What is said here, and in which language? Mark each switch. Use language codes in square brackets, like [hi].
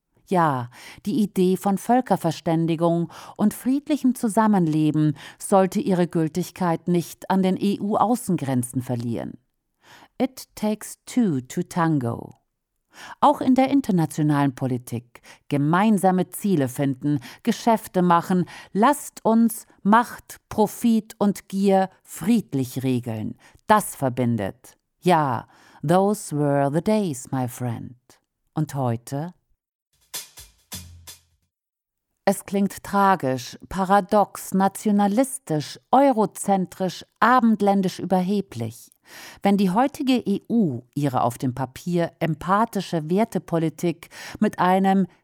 [de] Ja, die Idee von Völkerverständigung und friedlichem Zusammenleben sollte ihre Gültigkeit nicht an den EU-Außengrenzen verlieren. [en] It takes two to tango. [de] Auch in der internationalen Politik gemeinsame Ziele finden, Geschäfte machen, lasst uns Macht, Profit und Gier friedlich regeln. Das verbindet. Ja, [en] those were the days, my friend. [de] Und heute? Es klingt tragisch, paradox, nationalistisch, eurozentrisch, abendländisch überheblich. Wenn die heutige EU ihre auf dem Papier empathische Wertepolitik mit einem